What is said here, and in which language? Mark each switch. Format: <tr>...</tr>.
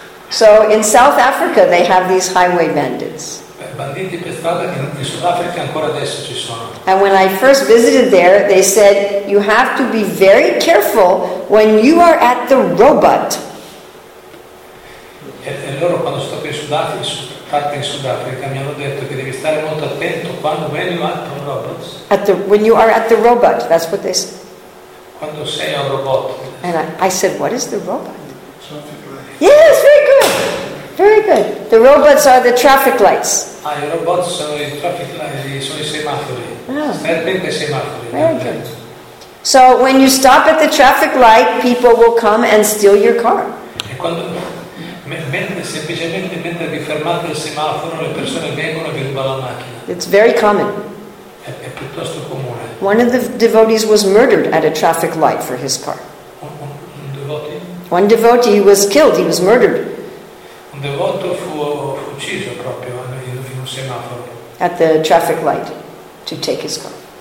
<en>So in South Africa they have these highway bandits.</en> <it>Banditi per strada in Sudafrica ancora adesso ci sono.</it> <en>And when I first visited there, they said you have to be very careful when you are at the robot.</en> <it>E loro quando sono stati in Sudafrica mi hanno detto che devi stare molto attento quando vieni</it> <en>at the robot. When you are at the robot, that's what they said.</en> <it>Quando sei al robot.</it> <en>And I said, what is the robot? Yes, very good. Very good. The robots are the traffic lights.</en> <it>I robots sono i</it> <en>traffic lights,</en> <it>sono i semafori. Sempre i semafori.</it> <en>Very good. So when you stop at the traffic light, people will come and steal your car.</en> <it>E quando mentre vi fermate il semaforo, le persone vengono e vi rubano la macchina.</it> <en>It's very common.</en> <it>È piuttosto comune.</it> <en>One of the devotees was murdered at a traffic light for his car.</en> <it>Un devotee?</it> <en>One devotee was killed. He was murdered.</en> <it>Un devoto fu ucciso proprio in un semaforo.</it> <en>At the traffic light to take his car.</en>